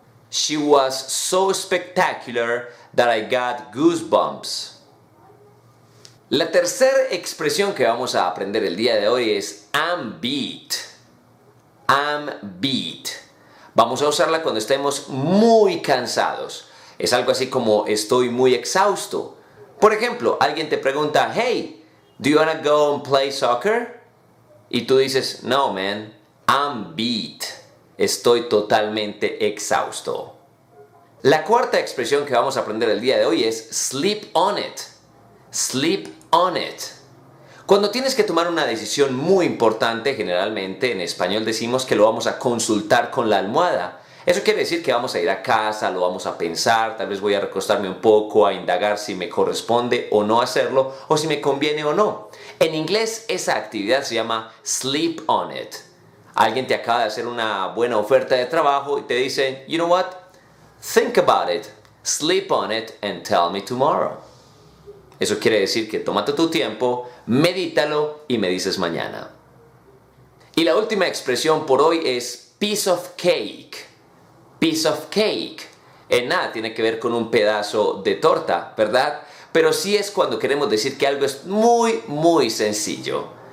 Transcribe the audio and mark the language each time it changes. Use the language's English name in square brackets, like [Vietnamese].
[English] She was so spectacular that I got goosebumps. [Spanish] La tercera expresión que vamos a aprender el día de hoy es I'm beat. I'm beat. Vamos a usarla cuando estemos muy cansados. Es algo así como estoy muy exhausto. Por ejemplo, alguien te pregunta, [English] hey, do you wanna go and play soccer? [Spanish] Y tú dices, [English] no, man, I'm beat. [Spanish] Estoy totalmente exhausto. La cuarta expresión que vamos a aprender el día de hoy es sleep on it. [English] Sleep on it. [Spanish] Cuando tienes que tomar una decisión muy importante, generalmente en español decimos que lo vamos a consultar con la almohada. Eso quiere decir que vamos a ir a casa, lo vamos a pensar, tal vez voy a recostarme un poco, a indagar si me corresponde o no hacerlo, o si me conviene o no. En inglés esa actividad se llama sleep on it. Alguien te acaba de hacer una buena oferta de trabajo y te dice, [English] you know what? Think about it, sleep on it and tell me tomorrow. [Spanish] Eso quiere decir que tómate tu tiempo, medítalo y me dices mañana. Y la última expresión por hoy es piece of cake. Piece of cake. En nada tiene que ver con un pedazo de torta, ¿verdad? Pero sí es cuando queremos decir que algo es muy, muy sencillo.